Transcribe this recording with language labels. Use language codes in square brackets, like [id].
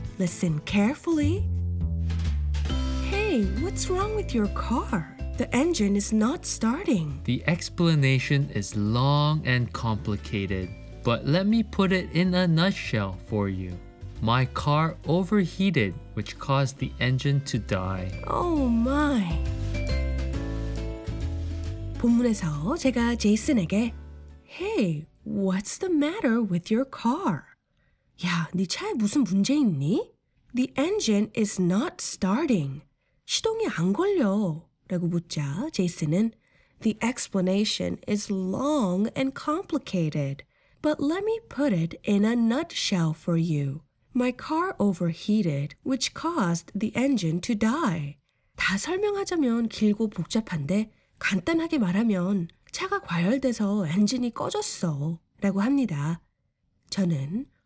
[en] Listen carefully. Hey, what's wrong with your car? The engine is not starting. The explanation is long and complicated, but let me put it in a nutshell for you. My car overheated, which caused the engine to die. Oh my! [ko] 본문에서 제가 제이슨에게 [en] Hey, what's the matter with your car? [ko] 야, 네 차에 무슨 문제 있니? [en] The engine is not starting. [ko] 시동이 안 걸려 라고 묻자 제이슨은 [en] The explanation is long and complicated. But let me put it in a nutshell for you. My car overheated, which caused the engine to die. [ko] 다 설명하자면 길고 복잡한데 간단하게 말하면 차가 과열돼서 엔진이 꺼졌어 라고 합니다. 저는